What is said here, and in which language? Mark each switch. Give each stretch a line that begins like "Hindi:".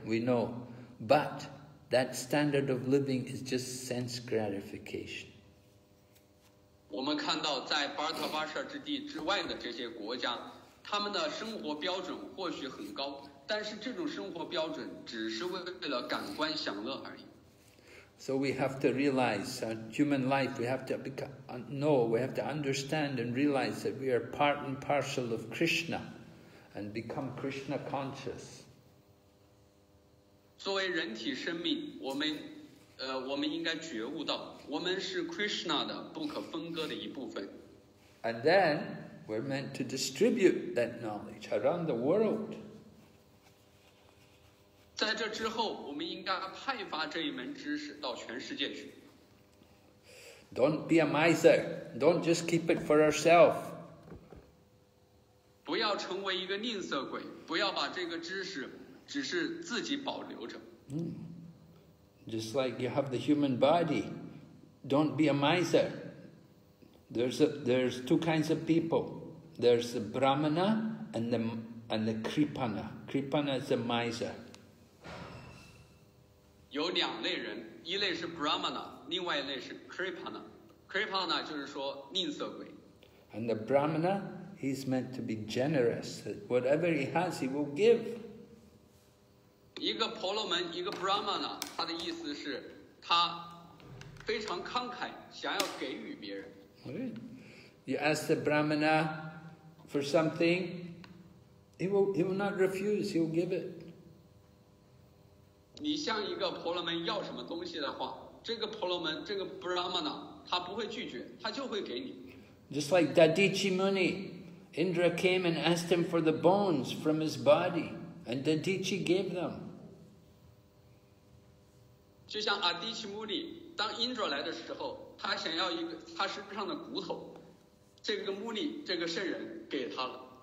English: We know, but that standard of living is just sense gratification.
Chinese: 我们看到在巴尔塔巴舍之地之外的这些国家，他们的生活标准或许很高，但是这种生活标准只是为了感官享乐而已。
English: So we have to realize our human life, we have to know, we have to understand and realize that we are part and parcel of Krishna and become Krishna conscious.
Chinese: 作为人体生命，我们应该觉悟到，我们是 Krishna 的不可分割的一部分。
English: And then we're meant to distribute that knowledge around the world.
Chinese: 在这之后，我们应该派发这一门知识到全世界去。
English: Don't be a miser. Don't just keep it for yourself. 不要成为一个吝啬鬼，不要把这个知识只是自己保留着。 Just like you have the human body, don't be a miser. There's two kinds of people. There's the Brahmana and the Kripana. Kripana is a miser.
Chinese: 有两类人，一类是 Brahmana, 另外一类是 Kripana. Kripana 就是说吝啬鬼。
English: And the Brahmana, he's meant to be generous. Whatever he has, he will give.
Chinese: 一个婆罗门，一个 Brahmana， 他的意思是，他非常慷慨，想要给予别人。
English: You ask the Brahmana for something, he will not refuse, he will give it.
Chinese: 你向一个婆罗门要什么东西的话，这个婆罗门，这个 Brahmana， 他不会拒绝，他就会给你。
English: Just like Dadichi Muni, Indra came and asked him for the bones from his body, and Dadichi gave them.
Chinese: 就像阿迪奇穆尼，当 Indra 来的时候，他想要一个他身上的骨头，这个穆尼，这个圣人给他了。